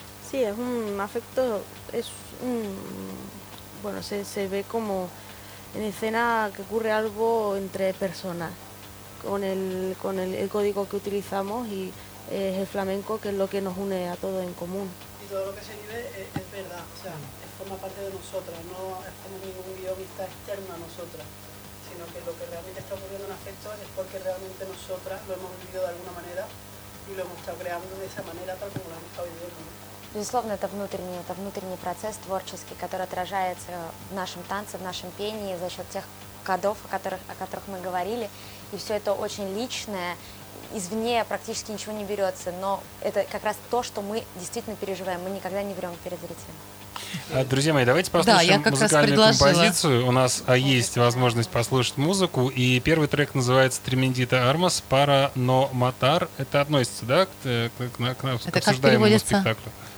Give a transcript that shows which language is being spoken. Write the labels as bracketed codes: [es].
[es] Sí, es un afecto, es un, bueno, se ve como en escena que ocurre algo entre personas, con el código que utilizamos y es el flamenco que es lo que nos une a todos en común. Y todo lo que se vive es verdad, o sea, forma parte de nosotras, no es como ningún guionista externo a nosotras, sino que lo que realmente está ocurriendo en afecto es porque realmente nosotras lo hemos vivido de alguna manera y lo hemos estado creando de esa manera tal como lo hemos estado viviendo. [ru] Безусловно, это внутренний процесс творческий, который отражается в нашем танце, в нашем пении за счет тех кодов, о которых мы говорили. И все это очень личное, извне практически ничего не берется, но это как раз то, что мы действительно переживаем. Мы никогда не врем перед зрителем. Друзья мои, давайте послушаем музыкальную композицию. У нас есть возможность послушать музыку. И первый трек называется «Tremendita Armas» [es] «Para no matar». [ru] Это относится, да, к обсуждаемому спектаклю?